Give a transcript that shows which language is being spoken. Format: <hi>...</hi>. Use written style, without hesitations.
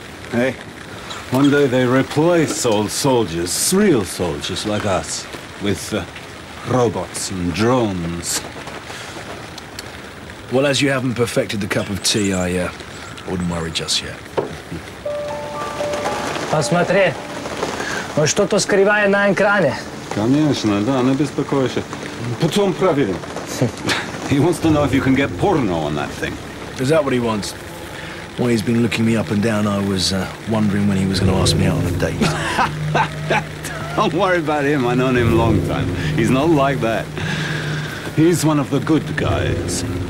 <en>Hey. One day they replace old soldiers, real soldiers like us, with robots and drones. Well, as you haven't perfected the cup of tea, I wouldn't worry just yet.</en> <ru>Посмотри, он что-то скрывает на экране. Конечно, да, не беспокойся. Потом проверим.</ru> <en>He wants to know if you can get porno on that thing. Is that what he wants? Well, he's been looking me up and down. I was wondering when he was going to ask me out on a date. Don't worry about him. I've known him a long time. He's not like that. He's one of the good guys.</en>